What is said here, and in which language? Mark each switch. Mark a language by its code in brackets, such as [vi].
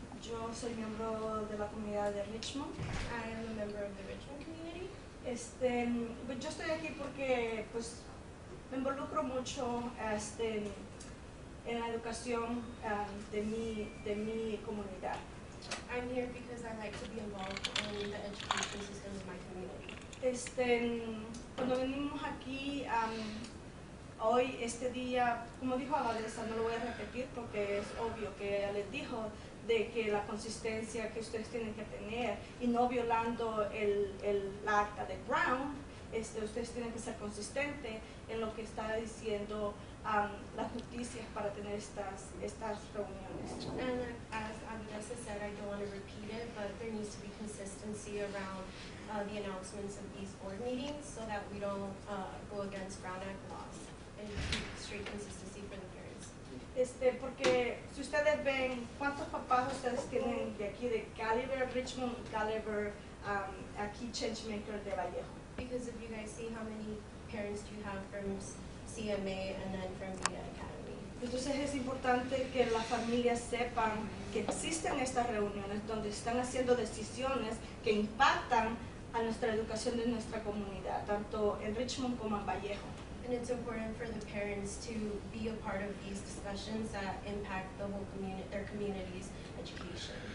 [es] Yo soy miembro de la comunidad de Richmond. [en] I am a member of the Richmond community. [es] But yo estoy aquí porque pues me involucro mucho en la educación de mi comunidad. [en] I'm here because I like to be involved in the education system of my community. [es] Cuando venimos aquí hoy este día, como dijo Alessa, no lo voy a repetir porque es obvio que ella les dijo de que la consistencia que ustedes tienen que tener y no violando el acta de Brown, ustedes tienen que ser consistentes en lo que está diciendo las justicias para tener estas reuniones. [en] And as Alessa said, I don't want to repeat it, but there needs to be consistency around the announcements of these board meetings so that we don't go against Brown Act laws and straight consistency for the parents. [es] Porque si ustedes ven cuántos papás ustedes tienen de aquí de Caliber, Richmond, Caliber, aquí Changemaker de Vallejo. [en] Because if you guys see how many parents do you have from CMA and then from the Academy. [es] Entonces es importante que las familias sepan que existen estas reuniones donde están haciendo decisiones que impactan a nuestra educación de nuestra comunidad, tanto en Richmond como en Vallejo. [en] And it's important for the parents to be a part of these discussions that impact the whole community, their community's education.